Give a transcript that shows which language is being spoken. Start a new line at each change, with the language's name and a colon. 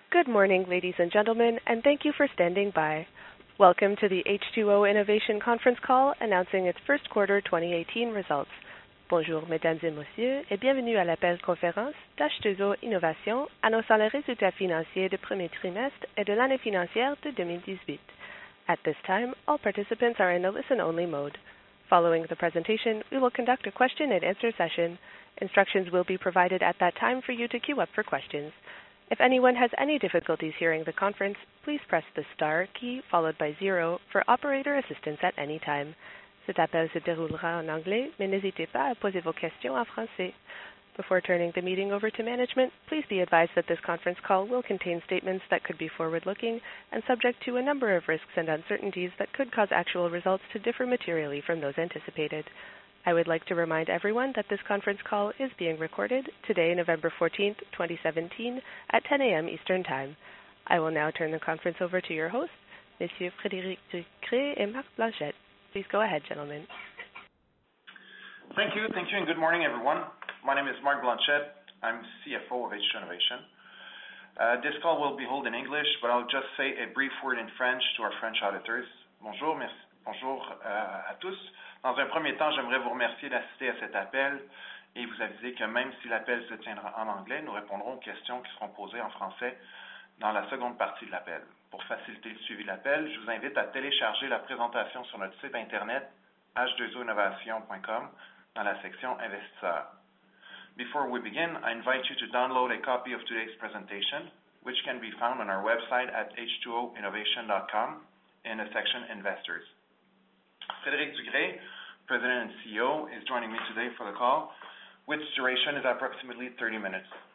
English: Good morning, ladies and gentlemen, and thank you for standing by. Welcome to the H2O Innovation conference call announcing its first quarter 2018 results.
French: Bonjour, mesdames et messieurs, et bienvenue à l'appel conférence d'H2O Innovation annonçant les résultats financiers du premier trimestre et de l'année financière de 2018.
English: At this time, all participants are in a listen-only mode. Following the presentation, we will conduct a question-and-answer session. Instructions will be provided at that time for you to queue up for questions. If anyone has any difficulties hearing the conference, please press the star key followed by zero for operator assistance at any time.
French: Cet appel se déroulera en anglais, mais n'hésitez pas à poser vos questions en français.
English: Before turning the meeting over to management, please be advised that this conference call will contain statements that could be forward-looking and subject to a number of risks and uncertainties that could cause actual results to differ materially from those anticipated. I would like to remind everyone that this conference call is being recorded today, November 14, 2017, at 10 a.m. Eastern Time. I will now turn the conference over to your hosts, Monsieur Frédéric Ducret and Marc Blanchette. Please go ahead, gentlemen. Thank you, and good morning, everyone. My name is Marc Blanchette. I'm CFO of H2O Innovation. This call will be held in English, but I'll just say a brief word in French to our French auditors.
French: Bonjour, merci. Bonjour à tous. Dans un premier temps, j'aimerais vous remercier d'assister à cet appel et vous aviser que même si l'appel se tiendra en anglais, nous répondrons aux questions qui seront posées en français dans la seconde partie de l'appel. Pour faciliter le suivi de l'appel, je vous invite à télécharger la présentation sur notre site internet h2oinnovation.com dans la section investisseurs.
English: Before we begin, I invite you to download a copy of today's presentation, which can be found on our website at h2oinnovation.com in the section investors. Frédéric Ducret, President and CEO, is joining me today for the call, which duration is approximately 30 minutes.